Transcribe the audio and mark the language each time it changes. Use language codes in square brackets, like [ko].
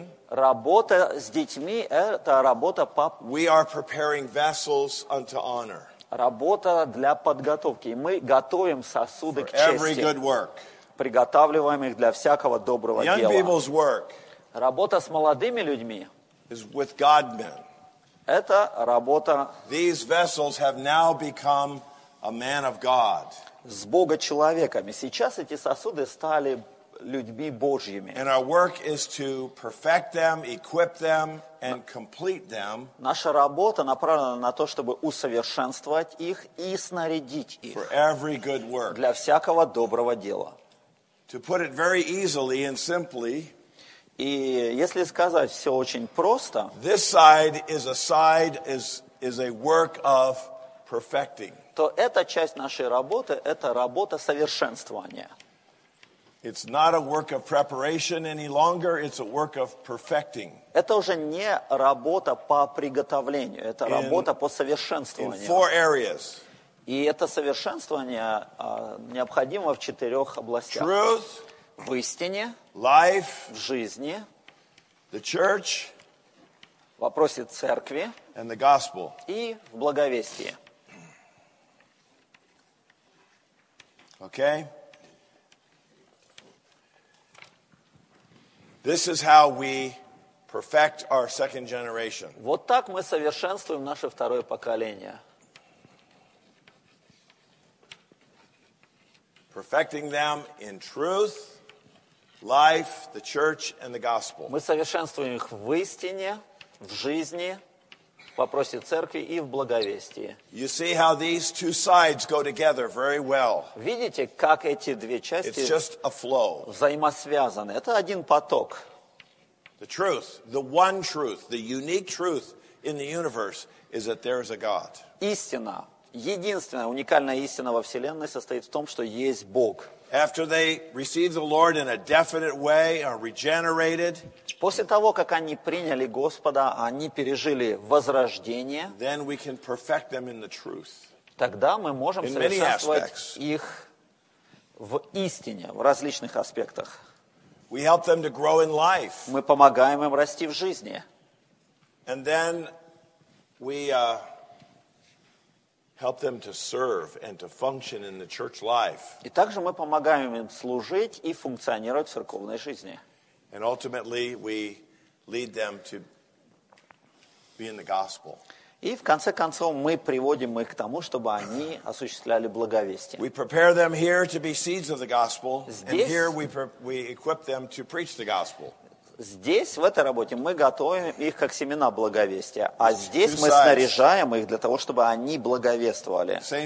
[ru] Работа с детьми – это работа по... [en] We are preparing vessels unto honor. [ru] Работа для подготовки. Мы готовим сосуды [en] for [ru] к чести. [en] Good work. [ru] Приготавливаем их для всякого доброго [en] young [ru] дела. [en] People's work [ru] работа с молодыми людьми [en] – is with God-men. [ru] Это работа... [en] These vessels have now become a man of God. [ru] С Бога-человеками. Сейчас эти сосуды стали людьми Божьими. [en] And our work is to perfect them, equip them, and complete them. [ru] Наша работа направлена на то, чтобы усовершенствовать их и снарядить их. [en] For every good work. [ru] Для всякого доброго дела. [en] To put it very easily and simply... [ru] И если сказать все очень просто, [en] this side is a side is a work of perfecting. [ru] То эта часть нашей работы – это работа совершенствования. [en] It's not a work of preparation any longer, it's a work of perfecting. [ru] Это уже не работа по приготовлению, это работа по совершенствованию. [en] In four areas. [ru] И это совершенствование необходимо в четырех областях. [en] Truth. [ru] В истине, [en] life, [ru] в жизни, [en] the church, [ru] в вопросе церкви [en] and the gospel. [ru] И в благовестии. [en] Okay. This is how we perfect our second generation. [ru] Вот так мы совершенствуем наше второе поколение. [en] Perfecting them in truth. Life, the church, and the gospel. [ru] Мы совершенствуем их в истине, в жизни, в вопросе церкви и в благовестии. [en] You see how these two sides go together very well. [ru] Видите, как эти две части [en] It's just a flow. [ru] Взаимосвязаны. Это один поток. [en] The truth, the one truth, the unique truth in the universe is that there is a God. [ru] Истина, единственная, уникальная истина во Вселенной состоит в том, что есть Бог. [en] After they receive the Lord in a definite way, are regenerated. [ru] После того, как они приняли Господа, они пережили возрождение. [en] Then we can perfect them in the truth. [ru] Тогда мы можем совершенствовать их в истине, в различных аспектах. [en] We help them to grow in life. [ru] Мы помогаем им расти в жизни. [en] And then we help them to serve and to function in the church life. [ru] И также мы помогаем им служить и функционировать в церковной жизни. [en] And ultimately, we lead them to be in the gospel. [ru] И в конце концов мы приводим их к тому, чтобы они осуществляли благовестие. [en] We prepare them here to be seeds of the gospel, and here we equip them to preach the gospel. [ru] Здесь, в этой работе, мы готовим их как семена благовестия, а здесь мы снаряжаем их для того, чтобы они благовествовали.